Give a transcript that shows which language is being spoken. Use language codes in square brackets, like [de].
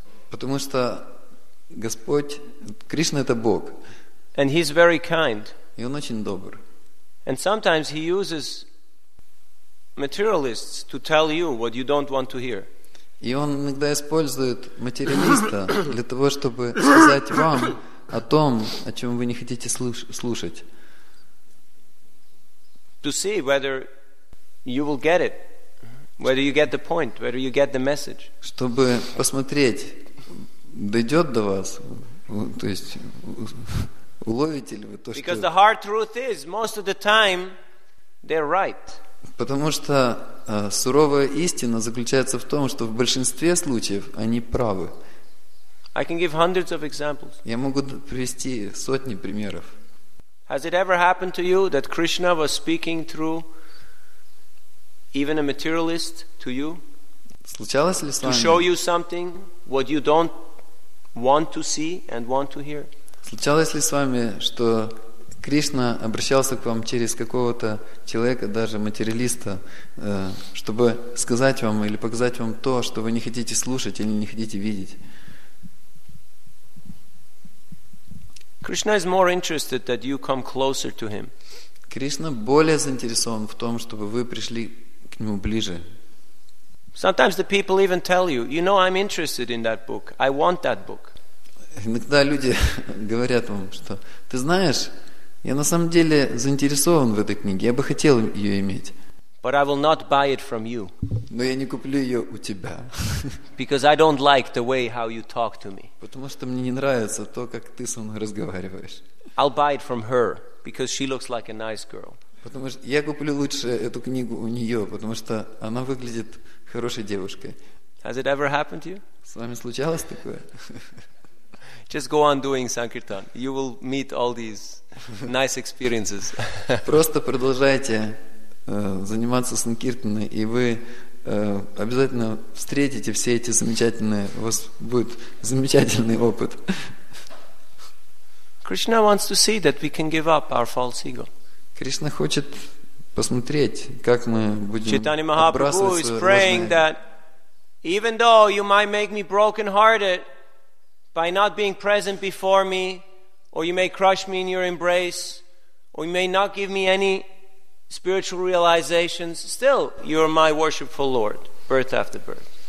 [ru] Потому что Господь, Кришна это Бог. [en] And he's very kind. [ru] И он очень добр. [en] And sometimes he uses materialists to tell you what you don't want to hear. [ru] И он иногда использует материалиста для того, чтобы сказать вам о том, о чем вы не хотите слушать. [en] To see whether you will get it, whether you get the point, whether you get the message. [ru] Чтобы посмотреть, дойдет до вас, то есть. Уловите ли вы то, [en] Because [ru] что... [en] the hard truth is, most of the time, they're right. [ru] Потому что суровая истина заключается в том, что в большинстве случаев они правы. [en] I can give hundreds of examples. [ru] Я могу привести сотни примеров. [en] Has it ever happened to you that Krishna was speaking through even a materialist to you? [ru] Случалось ли с вами? [en] To show you something what you don't want to see and want to hear? [ru] Случалось ли с вами, что Кришна обращался к вам через какого-то человека, даже материалиста, чтобы сказать вам или показать вам то, что вы не хотите слушать или не хотите видеть? [en] Krishna is more interested that you come closer to him. [ru] Кришна более заинтересован в том, чтобы вы пришли к нему ближе. [en] Sometimes the people even tell you, you know, I'm interested in that book. I want that book. [ru] Иногда люди говорят вам, что ты знаешь, я на самом деле заинтересован в этой книге, я бы хотел ее иметь. [en] But I will not buy it from you. [ru] Но я не куплю ее у тебя. [en] Because I don't like the way how you talk to me. [ru] Потому что мне не нравится то, как ты со мной разговариваешь. [en] I'll buy it from her because she looks like a nice girl. [ru] Потому что я куплю лучше эту книгу у нее, потому что она выглядит хорошей девушкой. [en] Has it ever happened to you? [ru] С вами случалось такое? [en] Just go on doing sankirtan. You will meet all these nice experiences. [ru] Просто продолжайте заниматься санкиртаной, и вы обязательно встретите все эти замечательные, у вас будет замечательный опыт. [en] Krishna wants to see that we can give up our false ego. [ru] Кришна хочет посмотреть, как мы будем [en] Chaitanya Mahaprabhu is praying that even though you might make me broken-hearted by not being present before me, or you may crush me in your embrace, or you may not give me any spiritual realizations, still you are my worshipful Lord, birth after birth.